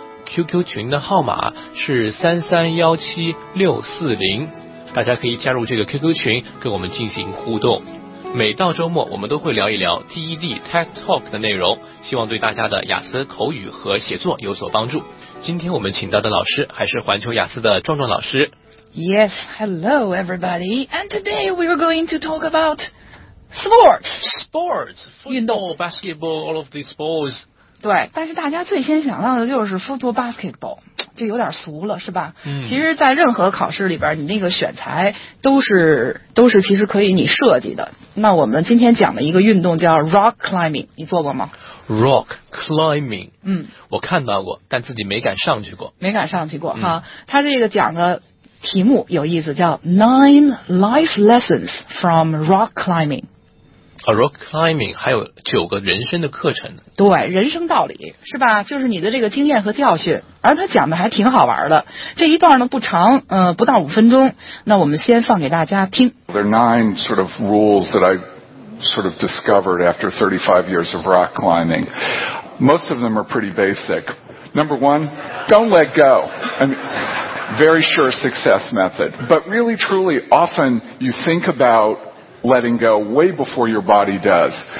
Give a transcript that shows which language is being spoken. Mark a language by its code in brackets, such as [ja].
[zh] QQ 群的号码是3317640，大家可以加入这个 QQ 群跟我们进行互动。每到周末我们都会聊一聊 TED Tech Talk 的内容，希望对大家的雅思口语和写作有所帮助。今天我们请到的老师还是环球雅思的壮壮老师。 [en] Yes, hello everybody. And today we are going to talk about sports, football, basketball, all of these sports. [zh] 对，但是大家最先想到的就是 football basketball， 就有点俗了，是吧？嗯，其实，在任何考试里边，你那个选材都是其实可以你设计的。那我们今天讲的一个运动叫 rock climbing， 你做过吗 [en] ？Rock climbing，嗯， [zh] 我看到过，但自己没敢上去过。哈，他这个讲的题目有意思，叫 [en] 9 life lessons from rock climbing。 [zh] A rock climbing 还有九个人生的课程，对，人生道理是吧，就是你的这个经验和教训，而他讲的还挺好玩的。这一段呢不长，不到5分钟，那我们先放给大家听。 [en] There are 9 sort of rules that I sort of discovered after 35 years of rock climbing. Most of them are pretty basic. Number 1, don't let go. I mean, very sure success method. But really truly often you think aboutletting go way before your body does.